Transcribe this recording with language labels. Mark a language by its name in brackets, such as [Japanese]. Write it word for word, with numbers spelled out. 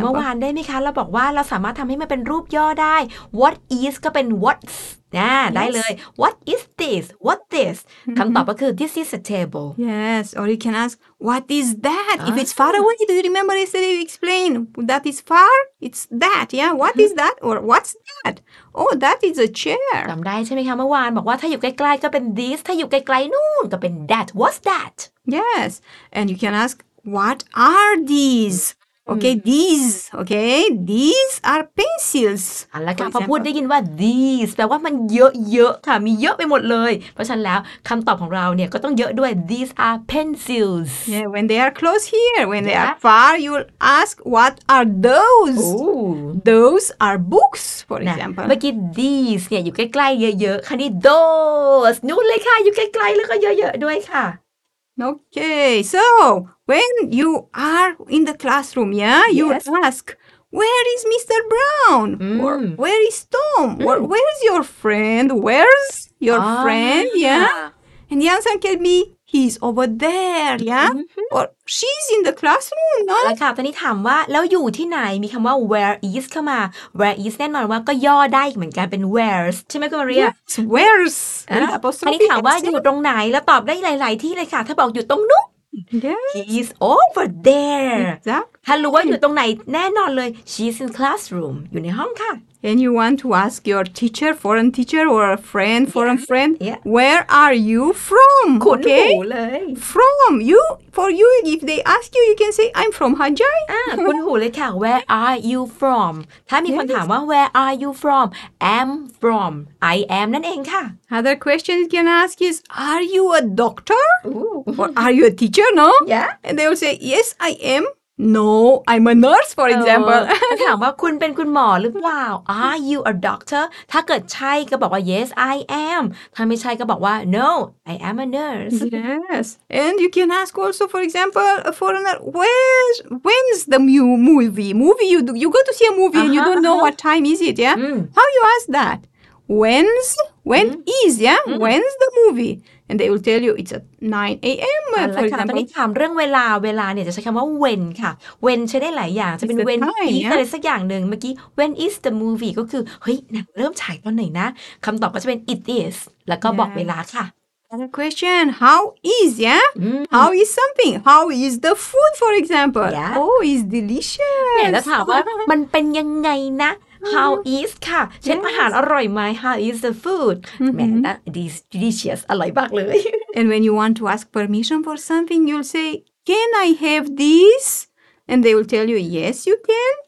[Thai] เมื่อวานได้ไหมคะเราบอกว่าเราสามารถทำให้มันเป็นรูปย่อได้ what is ก็เป็น what'sนะได้เลย [English] what is this what this [Thai] คำตอบก็คือ [English] this is a table yes or you can ask what is that if it's far away do you remember yesterday we explained that is far it's that yeah what is that or what's that oh that is a chair [Thai] จำได้ใช่ไหมคะเมื่อวานบอกว่าถ้าอยู่ใกล้ๆก็เป็น this ถ้าอยู่ไกลๆนู่นก็เป็น that [English] what's that yes and you can ask what are these Okay, these, okay, these are pencils. [Thai] อันละค่ะพอพูดได้ยินว่า these แปลว่ามันเยอะๆค่ะมีเยอะไปหมดเลยเพราะฉะนั้นแล้วคำตอบของเราเนี่ยก็ต้องเยอะด้วย [English] these are pencils. Yeah, when they are close here, when they are far, you'll ask what are those? Those are books, for example. เมื่อกี้ these เนี่ยอยู่ใกล้ๆเยอะๆค่ะนี่ those นู่นเลยค่ะอยู่ใกล้ๆแล้วก็เยอะๆด้วยค่ะ Okay, so when you are in the classroom, yeah, you yes. ask, where is Mr. Brown? Mm. Or where is Tom? Mm. Or where is your friend? Where's your ah. friend? Yeah. And the answer can be, he's over there, yeah? Mm-hmm. Or she's in the classroom, no? [Thai] แล้วค่ะตอนนี้ถามว่าแล้วอยู่ที่ไหนมีคำว่า [English] where is [Thai] เข้ามา where is แน่นอนว่าก็ย่อได้เหมือนกันเป็น where's ใช่ไหมคุณมาเรีย [English] yes, where's [Thai] อันนี้ถามว่าอยู่ตรงไหนแล้วตอบได้หลายๆที่เลยค่ะถ้าบอกอยู่ตรงนู้น [English] yes. he is over there exactly. [Thai] ถ้ารู้ว่าอยู่ตรงไหนแน่นอนเลย [English] she's in classroom [Thai] อยู่ในห้องค่ะ [English] And you want to ask your teacher, foreign teacher, or a friend, foreign yeah. friend, yeah. where are you from? Okay. From you, for you, if they ask you, you can say, I'm from Hajai. [Thai] อ่า คุณหูเลยค่ะ [English] Where are you from? [Thai] ถ้ามี yes. คนถามว่า [English] Where are you from? I'm from. I am [Thai] นั่นเองค่ะ [English] Other question you can ask is, Are you a doctor? Ooh. Or are you a teacher? No. Yeah. And they will say, Yes, I am. No, I'm a nurse, for example. [Thai] ถามว่าคุณเป็นคุณหมอหรือเปล่า [English] Are you a doctor? [Thai] ถ้าเกิดใช่ก็บอกว่า [English] Yes, I am. [Thai] ถ้าไม่ใช่ก็บอกว่า [English] No, I am a nurse. Yes. And you can ask also, for example, a foreigner, where, when's the mu- movie? Movie, you do, you go to see a movie uh-huh, and you don't know uh-huh. what time is it, yeah? Mm. How you ask that? When's, when mm. is, yeah? Mm. When's the movie? And they will tell you it's at nine a.m. for example [Thai] ตอนนี้ถามเรื่องเวลาเวลาเนี่ยจะใช้คำว่า when ค่ะ when ใช้ได้หลายอย่างจะเป็น when is อะไรสักอย่างหนึ่งเมื่อกี้ [English] when is the movie [Thai] ก็คือเฮ้ยหนังเริ่มฉายตอนไหนนะคำตอบก็จะเป็น it is แล้วก็บอกเวลาค่ะ [English] Another question how is yeah how is something how is the food for example oh is delicious [Thai] แล้วถามว่ามันเป็นยังไงนะHow is ค่ะเช่นอาหารอร่อยไหม [English] How is the food [Thai] แหมนะ [English] this delicious [Thai] อร่อยมากเลย [English] And when you want to ask permission for something you'll say Can I have this? And they will tell you Yes you can